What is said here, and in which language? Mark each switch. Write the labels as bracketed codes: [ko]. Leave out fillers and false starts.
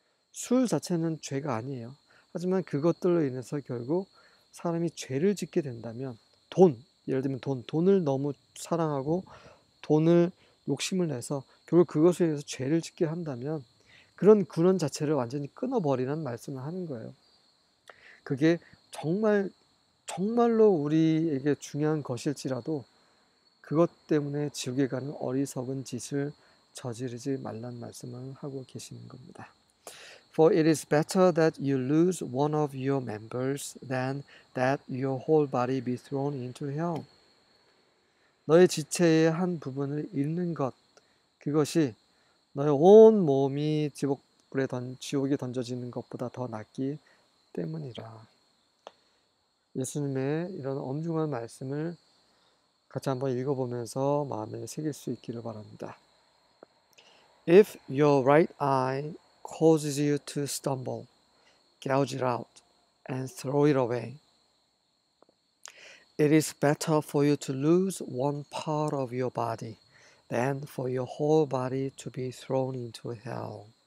[ko] 술 자체는 죄가 아니에요. 하지만 그것들로 인해서 결국 사람이 죄를 짓게 된다면, 돈, 예를 들면 돈을 너무 사랑하고 돈을 욕심을 내서 결국 그것에 의해서 죄를 짓게 한다면 그런 근원 자체를 완전히 끊어버리는 말씀을 하는 거예요. 그게 정말 정말로 우리에게 중요한 것일지라도 그것 때문에 지옥에 가는 어리석은 짓을 저지르지 말란 말씀을 하고 계시는 겁니다. [en] For it is better that you lose one of your members than that your whole body be thrown into hell. [ko] 너의 지체의 한 부분을 잃는 것, 그것이 너의 온 몸이 지옥에 던져지는 것보다 더 낫기 때문이라. 예수님의 이런 엄중한 말씀을 같이 한번 읽어보면서 마음에 새길 수 있기를 바랍니다. [en] If your right eye causes you to stumble, gouge it out and throw it away. It is better for you to lose one part of your body than for your whole body to be thrown into hell.